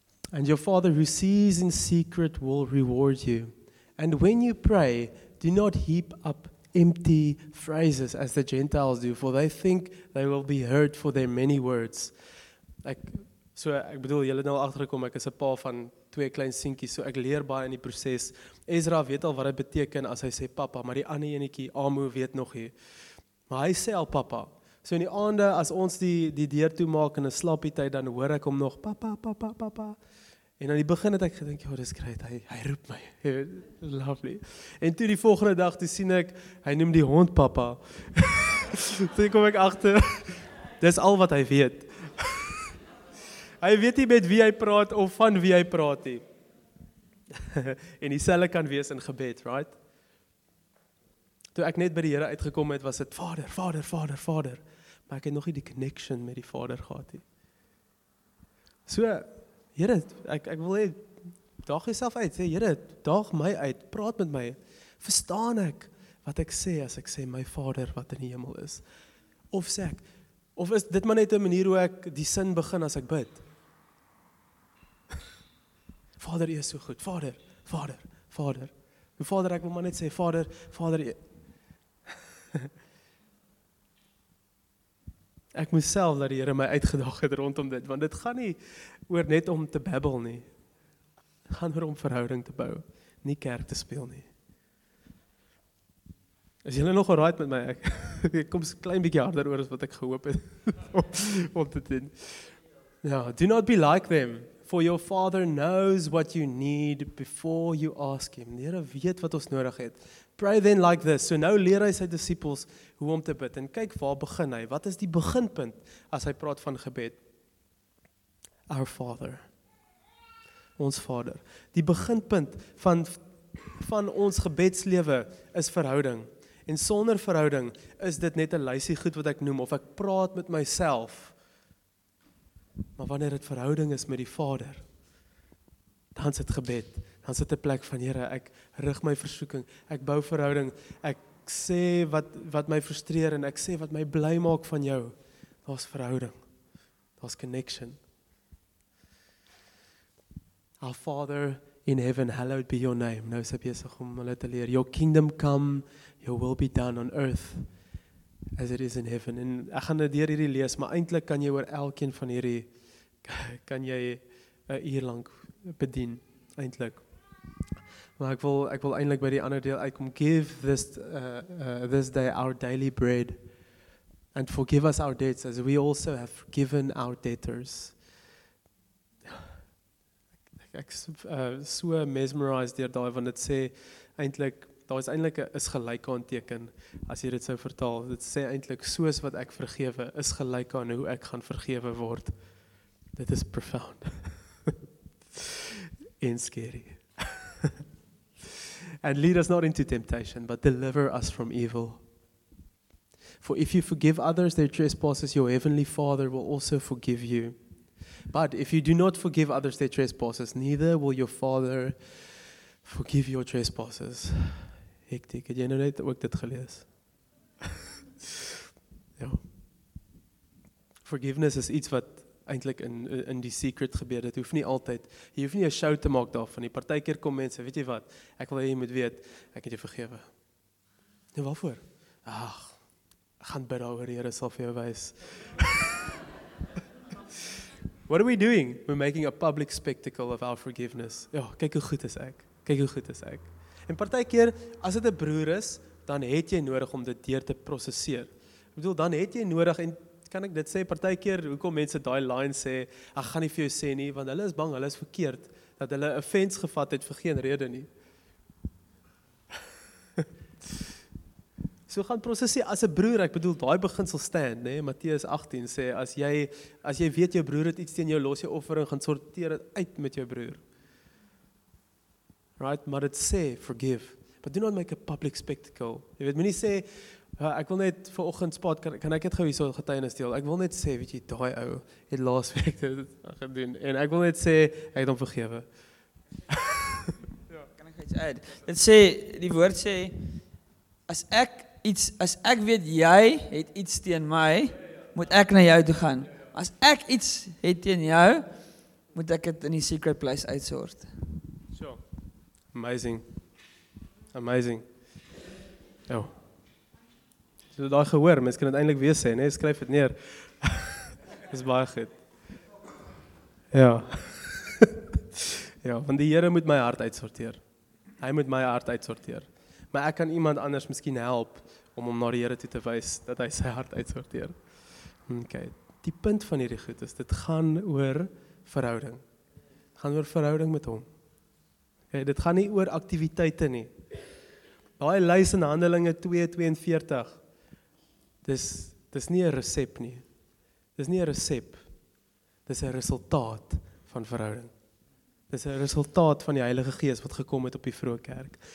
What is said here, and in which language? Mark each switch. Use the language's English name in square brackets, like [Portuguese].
[English] And your Father who sees in secret will reward you. And when you pray, do not heap up empty phrases as the Gentiles do, for they think they will be heard for their many words. [Afrikaans] Julle het nou agtergekom, ek is 'n pa van twee klein seentjies, so ek leer baie in die proses. Ezra weet al wat dit beteken as hy sê papa, maar die ander enetjie, Amu, weet nog nie. Maar hy sê al papa. So in die aande, as ons die deur toemaak in 'n slappie tyd, dan hoor ek hom nog, papa, papa, papa. En aan die begin het ek gedink, oh, dis great, hy roep my. Lovely. En toe die volgende dag, toe sien ek, hy noem die hond papa. Toe kom ek achter, dis al wat hy weet. Hy weet nie met wie hy praat of van wie hy praat nie. En die selle kan wees in gebed, right? Toe ek net by die Here uitgekom het, was het vader, vader, vader, vader. Maar ek het nog nie die connection met die vader gehad nie. So, Here, ek wil hê, daag jouself uit. Sê, Here, daag my uit, praat met my. Verstaan ek wat ek sê as ek sê my vader wat in die hemel is? Of sê ek, of is dit maar net 'n manier hoe ek die sin begin as ek bid? Vader, jy is so goed. Vader, vader, vader. Jou vader, ek wil maar net sê, vader, vader, jy... Ek moes self dat die Here my uitgedaag het rondom dit, want dit gaan nie oor net om te babbel nie. Dit gaan oor om verhouding te bou, nie kerk te speel nie. Is julle nog alright met my? Ek kom so klein bietjie harder oor as wat ek gehoop het om te doen. [English] Ja, do not be like them, for your Father knows what you need before you ask Him. [Afrikaans] Die Here weet wat ons nodig het. [English] Pray then like this. [Afrikaans] So nou leer hy sy disciples hoe om te bid. En kyk waar begin hy. Wat is die beginpunt as hy praat van gebed? [English] Our Father. [Afrikaans] Ons Vader. Die beginpunt van ons gebedslewe is verhouding. En sonder verhouding is dit net 'n lysie goed wat ek noem. Of ek praat met myself. Maar wanneer dit verhouding is met die Vader, dan is dit gebed. Dan sit 'n plek van, Here, ek rig my versoeking, ek bou verhouding, ek sê wat my frustreer en ek sê wat my bly maak van jou. Daar's verhouding, daar's connection. [English] Our Father in heaven, hallowed be your name. [Afrikaans] Nou is hy besig om hulle te leer. [English] Your kingdom come, your will be done on earth as it is in heaven. [Afrikaans] En ek gaan dit deur hierdie lees, maar eintlik kan jy oor elkeen van hierdie, kan jy 'n uur lank bedien, eintlik. Maar ek wil eintlik by die ander deel uitkom. [English] Give this this day our daily bread and forgive us our debts as we also have forgiven our debtors. [Afrikaans] Ek so mesmerized deur daai want dit sê eintlik daar is eintlik 'n is gelyke aan teken as jy dit sou vertaal. Dit sê eintlik soos wat ek vergewe is gelyk aan hoe ek gaan vergewe word. Dit is profound. En scary. [English] And lead us not into temptation, but deliver us from evil. For if you forgive others their trespasses, your heavenly Father will also forgive you. But if you do not forgive others their trespasses, neither will your Father forgive your trespasses. [Afrikaans] Hektiek, het jy nou net ook dit gelees? Ja. Forgiveness is iets wat eintlik in die secret gebeur. Dit hoef nie altyd, jy hoef nie 'n show te maak daarvan. Die partykeer kom mense, weet jy wat, ek wil hê jy moet weet, ek het jou vergewe. Nou, waarvoor? Ag, gaan bid daaroor, Here sal vir jou wys. [English] What are we doing? We're making a public spectacle of our forgiveness. [Afrikaans] Ja, kyk hoe goed is ek. Kyk hoe goed is ek. En partykeer, as dit 'n broer is, dan het jy nodig om dit deur te prosesseer. Ek bedoel, dan het jy nodig en kan ek dit sê, partykeer, hoekom mense daai line sê, ek gaan nie vir jou sê nie, want hulle is bang, hulle is verkeerd, dat hulle 'n offense gevat het vir geen rede nie. So gaan prosesseer, as 'n broer, ek bedoel, daai beginsel stand, nee, Matteus 18 sê, as jy weet jou broer het iets teen jou, los jou offering, gaan sorteer dit uit met jou broer. Right, maar dit sê, forgive. [English] But do not make a public spectacle. [Afrikaans] Jy weet, moenie sê, ek wil net vir oggend spot, kan ek het gauw hierso getuienis deel? Ek wil net sê, weet jy, die ou het last week dit gedoen. En ek wil net sê, ek het hom vergewe. Ja, kan ek iets uit? Dit sê, die woord sê, as ek iets, as ek weet jy het iets teen my, moet ek na jou toe gaan. As ek iets het teen jou, moet ek het in die secret place uitsoort. So, amazing. Amazing. Oh. So daai gehoor, mens kan dit eintlik weer sê, nee, skryf het neer. Dis baie goed. Ja. Ja, want die Here moet my hart uitsorteer. Hy moet my hart uitsorteer. Maar ek kan iemand anders miskien help om hom na die Here toe te wys dat hy sy hart uitsorteer. Okay. Die punt van hierdie goed is, dit gaan oor verhouding. Dit gaan oor verhouding met hom. Okay, dit gaan nie oor aktiwiteite nie. Daai lys in Handelinge 2:42. Dis nie 'n resep nie. Dis nie 'n resep. Dis 'n resultaat van verhouding. Dis 'n resultaat van die Heilige Gees wat gekom het op die vroeë kerk.